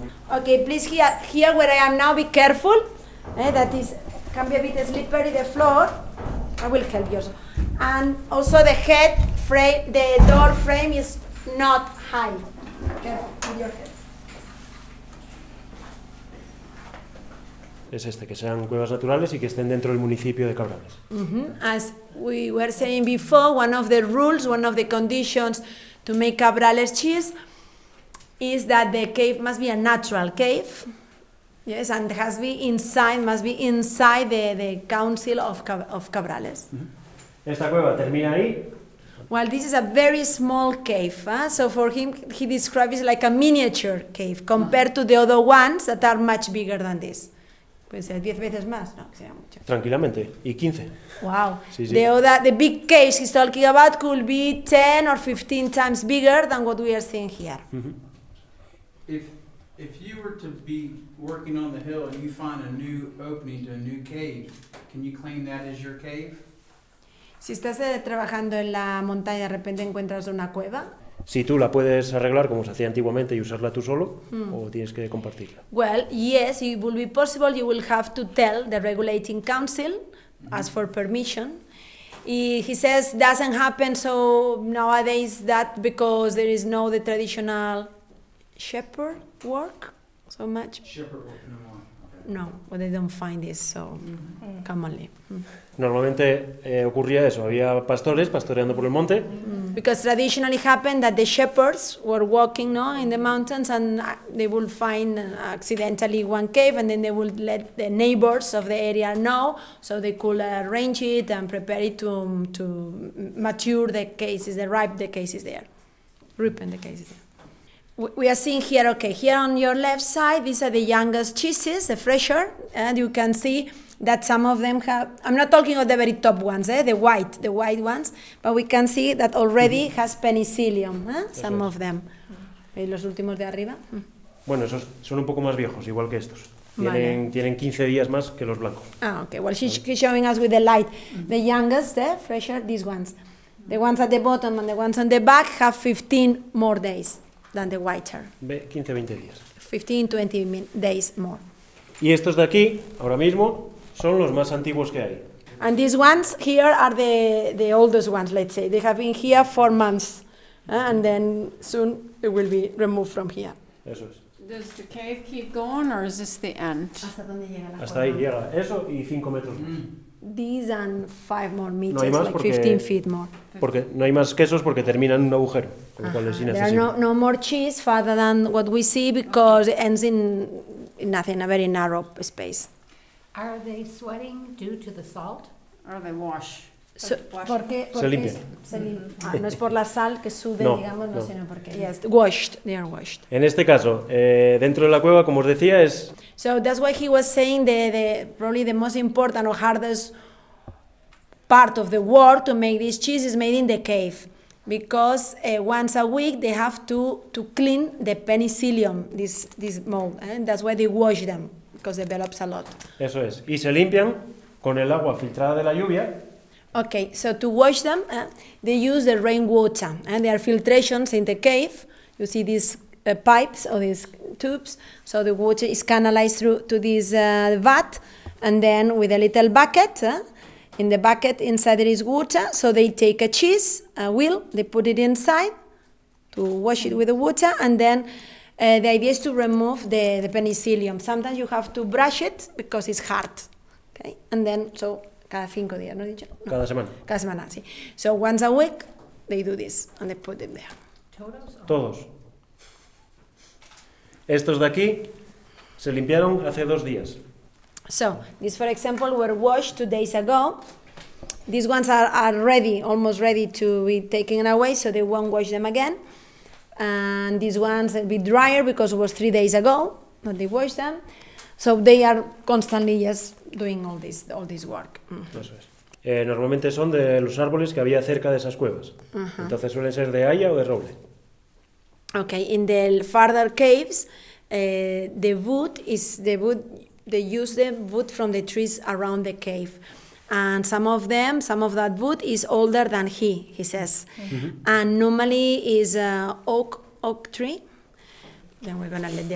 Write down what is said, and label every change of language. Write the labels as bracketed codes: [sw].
[en] Okay, please, here where I am now, be careful. Can be a bit slippery, the floor. I will help you also. And also the head frame, the door frame is not high. Careful with your head. [es] Es este, que sean cuevas naturales y que estén dentro del municipio de Cabrales. Mm-hmm. [en] As we were saying before, one of the rules, one of the conditions to make Cabrales cheese is that the cave must be a natural cave. Yes, and must be inside the council of Cabrales. [es] Mm-hmm. Esta cueva termina ahí. [en] Well, this is a very small cave, so for him, he describes it like a miniature cave compared to the other ones that are much bigger than this. [es] Puede ser 10 veces más, no, que sea mucho. Tranquilamente, y 15. Wow. Sí. [en] The big cave he's talking about could be 10 or 15 times bigger than what we are seeing here. If you were to be working on the hill and you find a new opening to a new cave, can you claim that as your cave? [es] Si estás trabajando en la montaña y de repente encuentras una cueva, si tú la puedes arreglar como se hacía antiguamente y usarla tú solo, o tienes que compartirla. [en] Well, yes, it will be possible. You will have to tell the regulating council, ask for permission. He says doesn't happen so nowadays that because there is no the traditional shepherd work so much. Shepherd work no more. No, but they don't find this so mm-hmm. commonly. [es] Normalmente ocurría eso, había pastores pastoreando por el monte. [en] Because traditionally happened that the shepherds were walking, no, in the mountains and they would find accidentally one cave and then they would let the neighbors of the area know so they could arrange it and prepare it to mature the cases, the ripe the cases there, ripen the cases there. We are seeing here, okay, here on your left side, these are the youngest cheeses, the fresher, and you can see that some of them have, I'm not talking of the very top ones, the white ones, but we can see that already mm-hmm. has penicillium, some of them. [es] ¿Veis los últimos de arriba? Bueno, esos son un poco más viejos, igual que estos. Tienen 15 días más que los blancos. [en] Ah, okay, well, she's showing us with the light. Mm-hmm. The youngest, fresher, these ones. The ones at the bottom and the ones on the back have 15 more days than the whiter. [es] 15, 20 días. [en] 15, 20 days more. [es] Y estos de aquí, ahora mismo, son los más antiguos que hay. [en] And these ones here are the oldest ones, let's say. They have been here 4 months. And then soon it will be removed from here. [es] Eso es. [en] Does the cave keep going or is this the end? [es] Hasta ahí llega. Eso y 5 metros más. [en] These and 5 more meters, [es] no hay más porque, [en] like 15 feet more. [es] Porque no hay más quesos porque terminan un agujero. Con lo cual es innecesario. [en] There are no more cheese farther than what we see because it ends in nothing, a very narrow space. Are they sweating due to the salt? Or they wash? [es] Porque se limpian. No es por la sal que sube, no, sino porque. [en] Yes, washed. They are washed. [es] En este caso, dentro de la cueva, como os decía, es. [en] So that's why he was saying the probably the most important or hardest part of the work to make this cheese is made in the cave, because once a week they have to clean the penicillium, this mold, and that's why they wash them. Because it develops a lot. [es] Eso es. Y se limpian con el agua filtrada de la lluvia. [en] Okay, so to wash them, they use the rainwater. And there are filtrations in the cave. You see these pipes or these tubes. So the water is canalized through to this vat. And then with a little bucket, in the bucket inside there is water. So they take a cheese, a wheel, they put it inside to wash it with the water. And then the idea is to remove the penicillium. Sometimes you have to brush it because it's hard. Okay, and then so [es] cada 5 días, ¿no dicho? No. Cada semana. Cada semana, sí. [en] So once a week they do this and they put it there. [es] Todos. Estos de aquí se limpiaron hace 2 días. [en] So these, for example, were washed 2 days ago. These ones are ready, almost ready to be taken away, so they won't wash them again. And these ones will be drier because it was 3 days ago that they washed them. So they are constantly just doing all this work. [es] Eso es. Normalmente son de los árboles que había cerca de esas cuevas. Uh-huh. Entonces suelen ser de haya o de roble. [en] Okay, in the farther caves, they use the wood from the trees around the cave. And some of that wood is older than he says. Mm-hmm. And normally is oak tree. Then we're going to let the